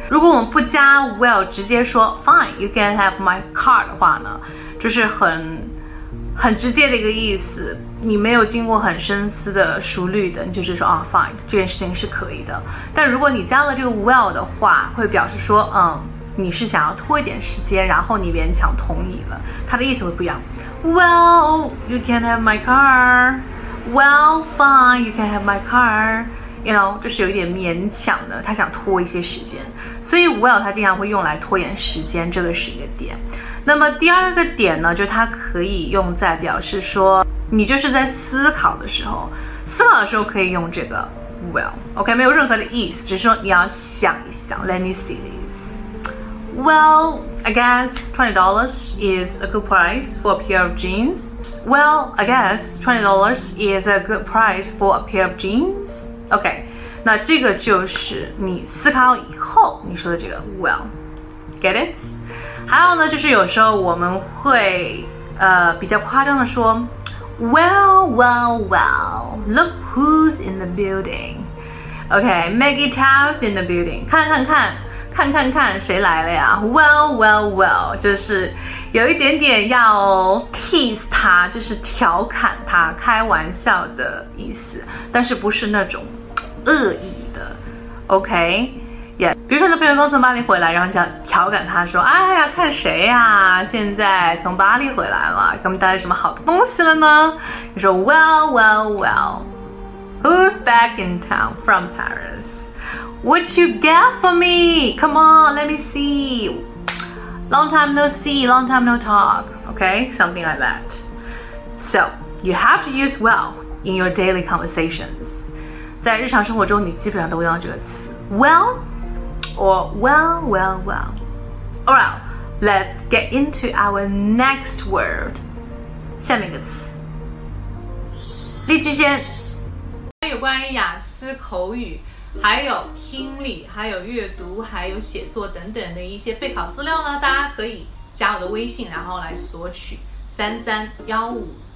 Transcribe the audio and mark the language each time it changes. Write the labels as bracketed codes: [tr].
[zh] 如果我们不加 well， 直接说 [en] fine, you can have my car [zh] 的话呢，就是很直接的一个意思。你没有经过很深思的熟虑的，你就是说啊、fine， 这件事情是可以的。但如果你加了这个 well 的话，会表示说，你是想要拖一点时间，然后你勉强同意了，它的意思会不一样。 [en] Well, you can have my car. Well, fine, you can have my car. You know, [zh] 就是有一点勉强的，他想拖一些时间。所以 well 他经常会用来拖延时间，这个是一个点。那么第二个点呢，就是它可以用在表示说你就是在思考的时候，思考的时候可以用这个 well. OK, 没有任何的意思，只是说你要想一想， [en] let me see [zh] 的意思。 [en] Well, I guess $20 is a good price for a pair of jeans. Well, I guess $20 is a good price for a pair of jeans. [zh] Okay, 那这个就是你思考以后你说的这个 well. [en] Get it? [zh] 还有呢，就是有时候我们会比较夸张的说 [en] Well, well, well, look who's in the building. Okay, Maggie Tao's in the building. [zh] 看看看看看看谁来了呀。 [en] Well, well, well, [zh] 就是有一点点要 tease 他，就是调侃他，开玩笑的意思，但是不是那种恶意的。 OK, yeah, 比如说你的朋友刚从巴黎回来，然后想调侃他说，哎呀，看谁呀，现在从巴黎回来了，给我们带来什么好的东西了呢？你说 [en] Well, well, well, who's back in town from Paris?What you get for me? Come on, let me see. Long time no see, long time no talk. Okay, something like that. So, you have to use well in your daily conversations. [zh] 在日常生活中你基本上都会用这个词。 [en] Well, or well, well, well. Alright, let's get into our next word. [zh] 下面一个词。例句先。有关于雅思口语还有听力还有阅读还有写作等等的一些备考资料呢，大家可以加我的微信然后来索取331515810。